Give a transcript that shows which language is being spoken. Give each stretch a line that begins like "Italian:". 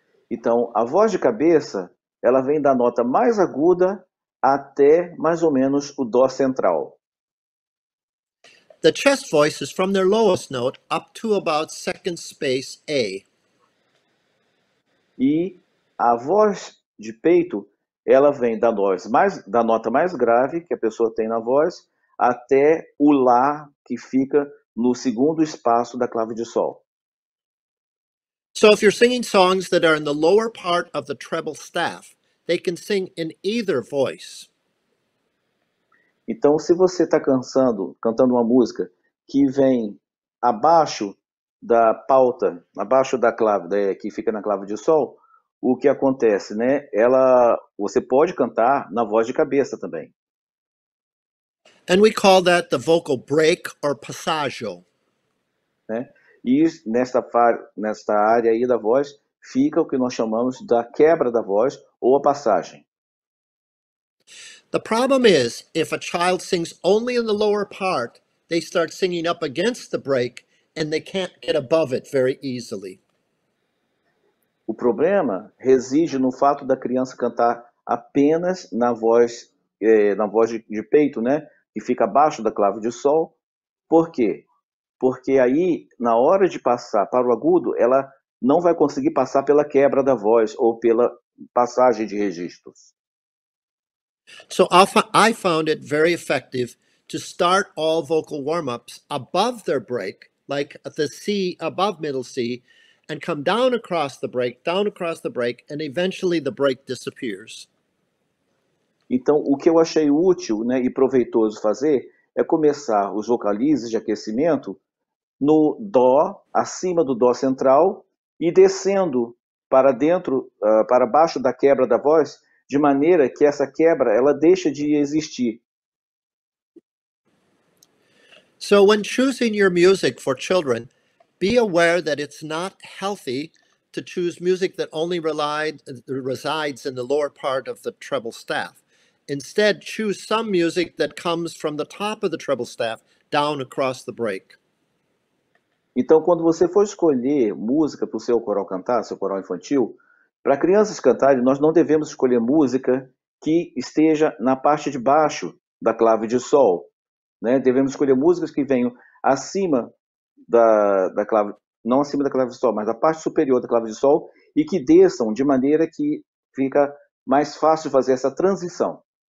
Portuguese: Então, a voz de cabeça, ela vem da nota mais aguda até mais ou menos o dó central.
English: The chest voice is from their lowest note up to about second space A.
Portuguese: E a voz de peito, ela vem da voz mais da nota mais grave que a pessoa tem na voz até o lá que fica no segundo espaço da clave de sol.
English: So if you're singing songs that are in the lower part of the treble staff, they can sing in either voice.
Portuguese: Então, se você está cantando uma música que vem abaixo da pauta, abaixo da clave, que fica na clave de sol, o que acontece, né? Você pode cantar na voz de cabeça também.
English: And we call that the vocal break or passaggio.
Portuguese: Né? E nesta área aí da voz, fica o que nós chamamos da quebra da voz ou a passagem.
English: The problem is, if a child sings only in the lower part, they start singing up against the break and they can't get above it very easily.
Portuguese: O problema reside no fato da criança cantar apenas na voz de peito, né? Que fica abaixo da clave de sol. Por quê? Porque aí, na hora de passar para o agudo, ela não vai conseguir passar pela quebra da voz ou pela passagem de registros.
English: So I found it very effective to start all vocal warm-ups above their break, like the C above middle C, and come down across the break, and eventually the break disappears.
Portuguese: Então, o que eu achei útil, né, e proveitoso fazer é começar os vocalizes de aquecimento no dó, acima do dó central, e descendo para dentro, para baixo da quebra da voz, de maneira que essa quebra, ela deixa de existir.
English: So when choosing your music for children, be aware that it's not healthy to choose music that only resides in the lower part of the treble staff. Instead, choose some music that comes from the top of the treble staff down across the break.
Portuguese: Então, quando você for escolher música para o seu coral cantar, seu coral infantil, para crianças cantarem, nós não devemos escolher música que esteja na parte de baixo da clave de sol. Né? Devemos escolher músicas que venham acima da clave, não acima da clave de sol, mas da parte superior da clave de sol e que desçam de maneira que fica mais fácil fazer essa transição.